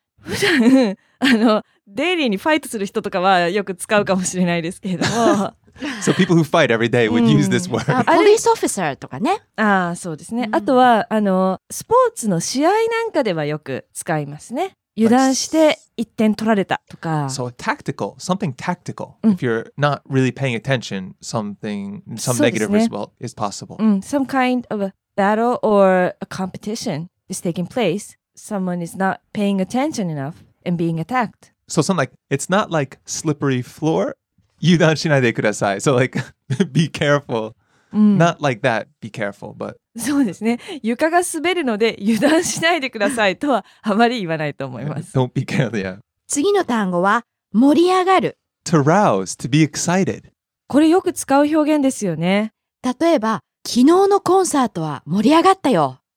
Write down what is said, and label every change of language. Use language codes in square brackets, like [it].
[ja] 普段あのデイリーにファイトする人とかはよく使うかもしれないですけれども。 [en] So people who fight every day would use this word. Police officer [ja] とかね。ああ、そうですね。あとはあのスポーツの試合なんかではよく使いますね。油断して1点取られたとか。 [en] So tactical, something tactical. If you're not really paying attention, something, some negative result is possible. Some kind of a battle or a competition is taking place. Someone is not paying attention enough and being attacked. So something like, it's not like slippery floor. [ja] 油断しないでください。 [en] So like, be careful.、うん、not like that, be careful, but... [ja] そうですね。床が滑るので油断しないでくださいとはあまり言わないと思います。 [en] Don't be careful, yeah. [ja] 次の単語は盛り上がる。 [en] To rouse, to be excited. [ja] これよく使う表現ですよね。例えば、昨日のコンサートは盛り上がったよ。